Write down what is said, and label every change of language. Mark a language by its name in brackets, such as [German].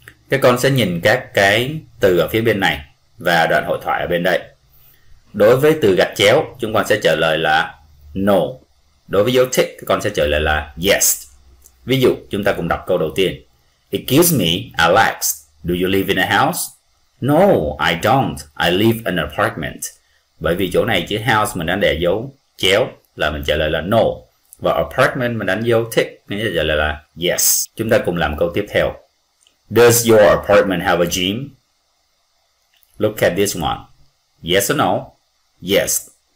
[Vietnamese] Các con sẽ nhìn các cái từ ở phía bên này và đoạn hội thoại ở bên đây. Đối với từ gạch chéo, chúng con sẽ trả lời là no. Đối với dấu tick, các con sẽ trả lời là yes. Ví dụ, chúng ta cùng đọc câu đầu tiên. [English] Excuse me, Alex, do you live in a house? No, I don't. I live in an apartment. [Vietnamese] Bởi vì chỗ này chữ house mình đánh đè dấu chéo là mình trả lời là no. Và apartment mình đánh dấu tick, mình trả lời là yes. Chúng ta cùng làm câu tiếp theo. [English] Does your apartment have a gym? Look at this one. Yes or no? Yes.